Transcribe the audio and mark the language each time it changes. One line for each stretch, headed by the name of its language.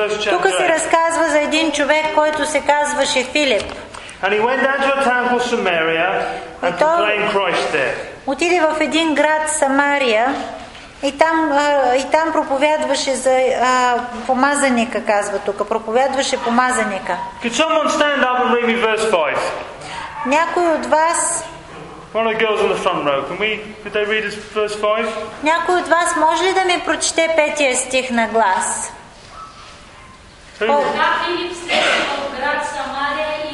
Bulgarian: Тук се разказва за един човек, който се казваше Филип.
English: And he went down to a town called Samaria and proclaimed Christ there.
Bulgarian: Отиде в един град Самария и там проповядваше за помазаника, казва тук. Проповядваше помазаника.
English: Could someone stand up and read me verse 5?
Bulgarian: Някой от вас...
English: One of the girls on the front row. Could they read us verse 5?
Bulgarian: Някой от вас може ли да ми прочете петия стих на глас? Филип стигна в град Самария.